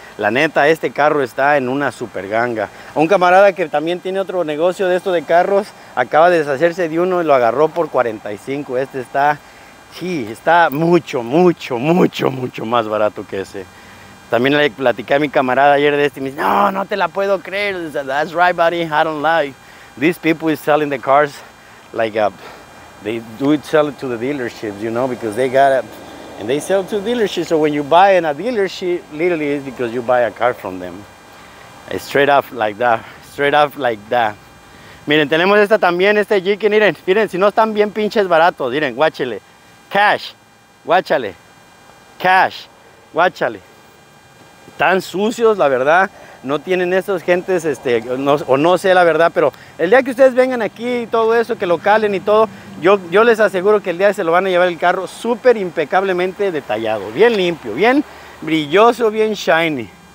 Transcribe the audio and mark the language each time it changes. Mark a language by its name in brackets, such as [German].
[Spanish] La neta, este carro está en una super ganga. Un camarada que también tiene otro negocio de esto de carros, acaba de deshacerse de uno y lo agarró por 45. Este está, sí, está mucho, mucho, mucho, mucho más barato que ese. También le platicé a mi camarada ayer de este y me dice, no, no te la puedo creer. Dice, [English] that's right, buddy, I don't lie. These people is selling the cars like a, they do it, sell it to the dealerships, you know, because they got it. And they sell to dealerships, so when you buy in a dealership, literally it's because you buy a car from them. Straight up like that, straight up like that. [Spanish] Miren, tenemos esta también, este Jeep, miren, miren, si no están bien pinches baratos, miren, guáchale. Cash, guáchale. Cash, guáchale. Están sucios, la verdad. No tienen esos gentes, no sé la verdad, pero el día que ustedes vengan aquí y todo eso, que lo calen y todo, yo les aseguro que el día se lo van a llevar el carro súper impecablemente detallado, bien limpio, bien brilloso, bien shiny.